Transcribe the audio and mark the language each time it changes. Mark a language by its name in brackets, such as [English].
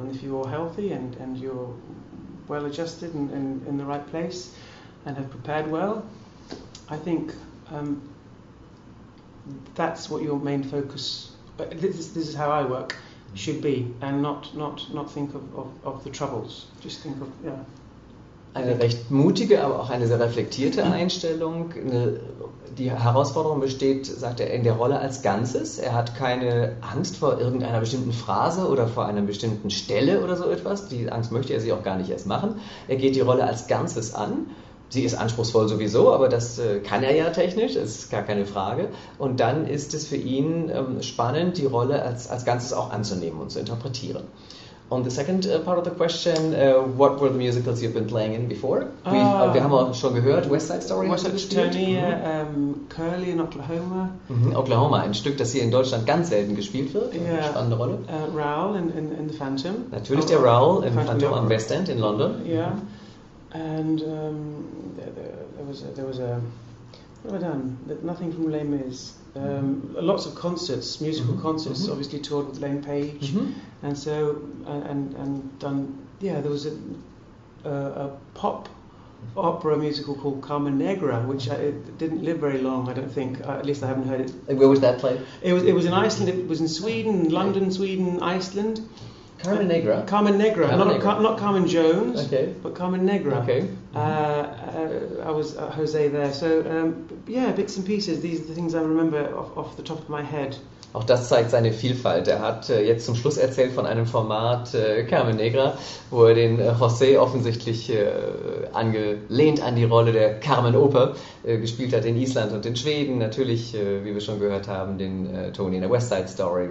[English] And if you're healthy and you're well adjusted and in the right place and have prepared well, I think that's what your main focus, this is how I work, should be, and not think of the troubles, just think of, yeah. [German] Eine recht mutige, aber auch eine sehr reflektierte Einstellung. Die Herausforderung besteht, sagt er, in der Rolle als Ganzes. Er hat keine Angst vor irgendeiner bestimmten Phrase oder vor einer bestimmten Stelle oder so etwas. Die Angst möchte er sich auch gar nicht erst machen. Er geht die Rolle als Ganzes an. Sie ist anspruchsvoll sowieso, aber das kann er ja technisch, das ist gar keine Frage. Und dann ist es für ihn spannend, die Rolle als Ganzes auch anzunehmen und zu interpretieren. [English] On the second part of the question, what were the musicals you've been playing in before? [German] Wir haben auch schon gehört, West Side Story. [English] West Side Story, mm-hmm. Curly in Oklahoma. Mm-hmm. [German] Oklahoma, ein Stück, das hier in Deutschland ganz selten gespielt wird. Yeah. Eine spannende Rolle. [English] Raoul in The Phantom. [German] Natürlich der Raoul in Phantom am West End in London. [English] Yeah. Mm-hmm. And nothing from Les Mis. Lots of concerts, musical mm-hmm. concerts, mm-hmm. obviously toured with Elaine Page, mm-hmm. and so, and done, yeah, there was a pop opera musical called Carmen Negra, which it didn't live very long, I don't think, at least I haven't heard it. Where was that played? It was in Iceland, it was in Sweden, London, Sweden, Iceland. Carmen Negra? Carmen Negra, not Carmen Jones, okay. But Carmen Negra. Okay. I was at Jose there. So, bits and pieces, these are the things I remember off the top of my head. [German] Auch das zeigt seine Vielfalt. Er hat jetzt zum Schluss erzählt von einem Format Carmen Negra, wo er den José offensichtlich angelehnt an die Rolle der Carmen Oper gespielt hat in Island und in Schweden. Natürlich, wie wir schon gehört haben, den Tony in der West Side Story.